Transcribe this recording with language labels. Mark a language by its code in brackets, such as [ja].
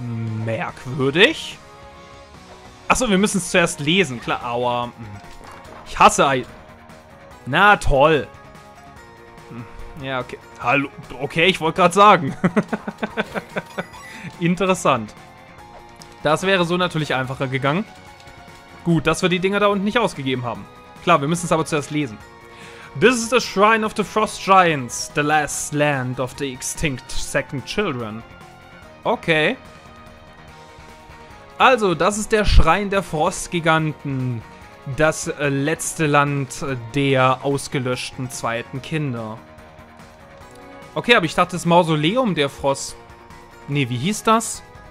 [de] Merkwürdig. Achso, wir müssen es zuerst lesen. Klar, aua. Ich hasse Ei. Na toll. Ja, okay. Hallo. Okay, ich wollte gerade sagen. Interessant. Das wäre so natürlich einfacher gegangen. Gut, dass wir die Dinger da unten nicht ausgegeben haben. Klar, wir müssen es aber zuerst lesen. [en] This is the Shrine of the Frost Giants, the last land of the extinct Second Children. [de] Okay. Also, das ist der Schrein der Frostgiganten, das letzte Land der ausgelöschten zweiten Kinder. Okay, aber ich dachte, das Mausoleum der Frost... Nee, wie hieß das?